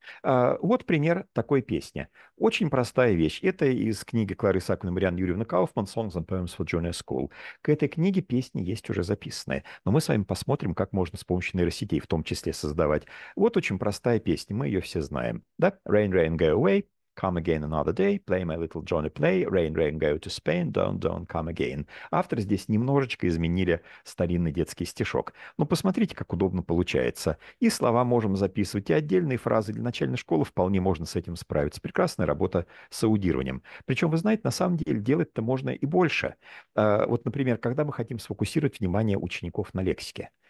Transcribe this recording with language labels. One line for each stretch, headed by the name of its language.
Russian: Вот пример такой песни. Очень простая вещь. Это из книги Кларисы Акуниной Марианны Юрьевны Кауфман «Songs and Poems for Junior School». К этой книге песни есть уже записанные. Но мы с вами посмотрим, как можно с помощью нейросетей в том числе создавать. Вот очень простая песня, мы ее все знаем. Да?
English: «Rain, rain, go away, come again another day, play my little Johnny play, rain, rain, go to Spain, don't, don't, come again».
Russian: Автор здесь немножечко изменили старинный детский стишок. Но посмотрите, как удобно получается. И слова можем записывать, и отдельные фразы для начальной школы вполне можно с этим справиться. Прекрасная работа с аудированием. Причем, вы знаете, на самом деле делать-то можно и больше. Вот, например, когда мы хотим сфокусировать внимание учеников на лексике.